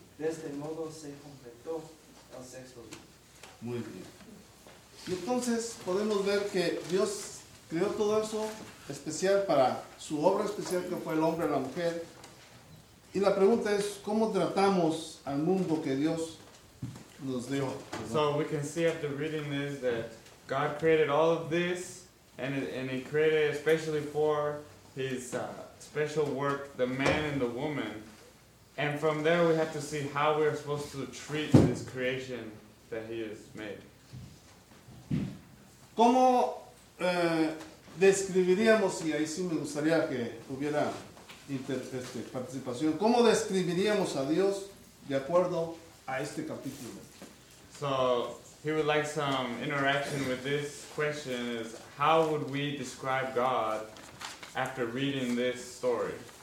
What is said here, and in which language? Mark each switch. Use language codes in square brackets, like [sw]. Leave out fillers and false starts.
[es] De este modo se completó el sexto día. Muy bien. Y entonces podemos ver que Dios creó todo eso especial para su obra especial que fue el hombre y la mujer. Y la pregunta es, ¿cómo tratamos al mundo que Dios nos dio? [en] So we can see after reading this that God created all of this and he created especially for his special work, the man and the woman. And from there we have to see how we are supposed to treat this creation that he has made. [es] ¿Cómo describiríamos, y ahí sí me gustaría que hubiera participación, ¿cómo describiríamos a Dios de acuerdo a este capítulo? [en] So, he would like some interaction with this question is, how would we describe God after reading this story?